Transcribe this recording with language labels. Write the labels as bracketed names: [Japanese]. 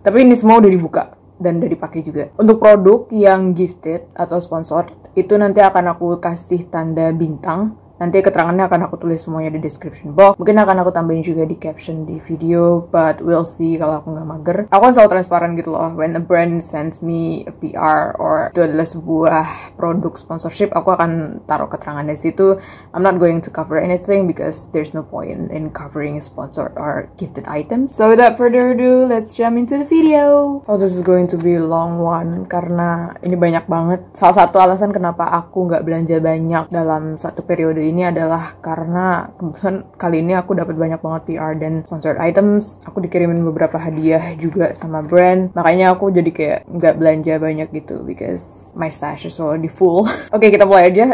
[Indonesian] Tapi ini semua udah dibuka dan udah dipakai juga. Untuk produk yang gifted atau sponsored, itu nanti akan aku kasih tanda bintang. Nanti keterangannya akan aku tulis semuanya di description box. Mungkin akan aku tambahin juga di caption di video. [English] But we'll see [Indonesian] kalau aku nggak mager. Aku selalu transparan gitu loh. [English] When a brand sends me a PR or [Indonesian] itu adalah sebuah produk sponsorship, aku akan taruh keterangannya situ. [English] I'm not going to cover anything because there's no point in covering sponsored or gifted items. So without further ado, let's jump into the video. Oh, this is going to be a long one [Indonesian] karena ini banyak banget. Salah satu alasan kenapa aku nggak belanja banyak dalam satu periode ini adalah karena kebetulan kali ini aku dapat banyak banget PR dan sponsored items. Aku dikirimin beberapa hadiah juga sama brand. Makanya aku jadi kayak nggak belanja banyak gitu [English] because my stash is already full. [Indonesian] Oke, kita mulai aja.